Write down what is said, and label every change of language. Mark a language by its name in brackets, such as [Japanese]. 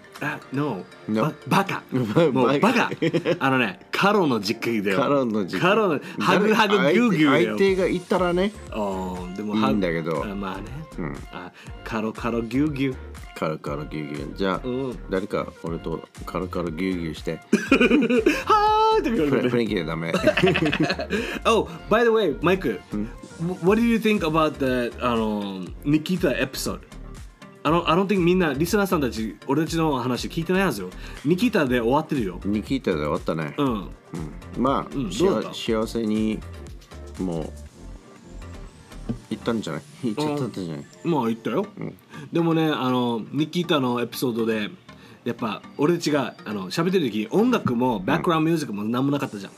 [Japanese] あ、ノー、no、バカもうバカあのね、カロの時期だよ。カロの時期、カロのハグハグギュウギュウだよ。相手が言ったらね、おでもいいんだけど、あ、まあね、うん、あ、カロカロギュウギュウ、カロカロギュウギュウ。じゃあ、うん、誰か俺とカロカロギュウギュウしてはーいって言われて、雰囲気でダメ [English] Oh, by the way, マイク、 What do you think about the ニキータ episode? I don't think [Japanese] みんなリスナーさんたち俺たちの話聞いてないはずよ。ニキータで終わってるよ。ニキータで終わったね。うん、うん、まあ、うん、どうだった？幸せにもう行ったんじゃない？行っちゃったんじゃない？うん、まあ行ったよ、うん、でもね、ニキータのエピソードでやっぱ俺たちが喋ってる時、音楽もバックグラウンドミュージックも何もなかったじゃん、